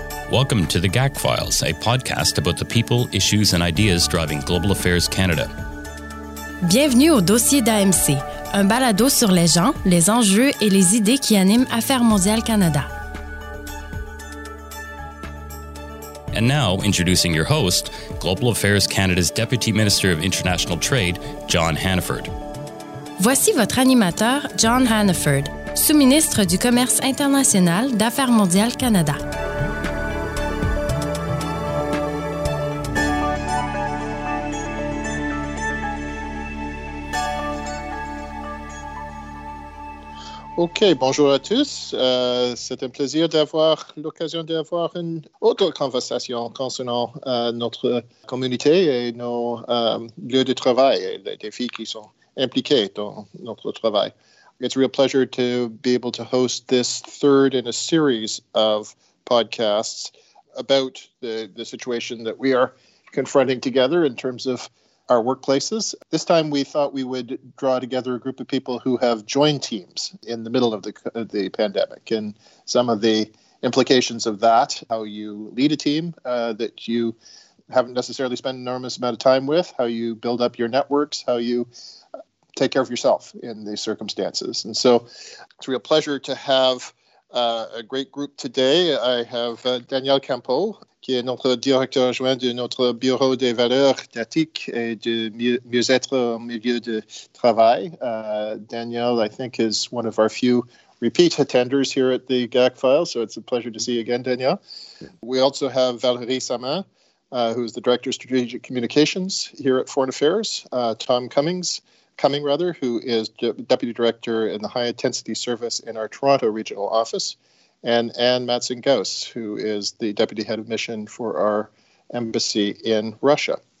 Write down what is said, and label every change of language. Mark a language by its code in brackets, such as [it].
[en] Welcome to The GAC Files, a podcast about the people, issues and ideas driving Global Affairs Canada. [fr] Bienvenue au dossier d'AMC, un balado sur les gens, les enjeux et les idées qui animent Affaires mondiales Canada. [en] And now, introducing your host, Global Affairs Canada's Deputy Minister of International Trade, John Hannaford. [fr] Voici votre animateur, John Hannaford, sous-ministre du Commerce international d'Affaires mondiales Canada. OK, bonjour à tous. C'est un plaisir d'avoir l'occasion d'avoir une autre conversation concernant notre communauté et nos lieux de travail et les défis qui sont impliqués dans notre travail. [en] It's a real pleasure to be able to host this third in a series of podcasts about the situation that we are confronting together in terms of our workplaces. This time we thought we would draw together a group of people who have joined teams in the middle of the pandemic and some of the implications of that, how you lead a team that you haven't necessarily spent an enormous amount of time with, how you build up your networks, how you take care of yourself in these circumstances. And so it's a real pleasure to have a great group today. I have [fr] Danielle Campeau, qui est notre directeur adjoint de notre Bureau des valeurs d'éthique et de mieux-être au milieu de travail. [en] Danielle, I think, is one of our few repeat attenders here at the GAC Files, so it's a pleasure to see you again, Danielle. We also have Valérie Samin, who is the Director of Strategic Communications here at Foreign Affairs, Tom Cumming, who is Deputy Director in the High Intensity Service in our Toronto Regional Office, and Anne Matson-Gauss, who is the Deputy Head of Mission for our embassy in Russia.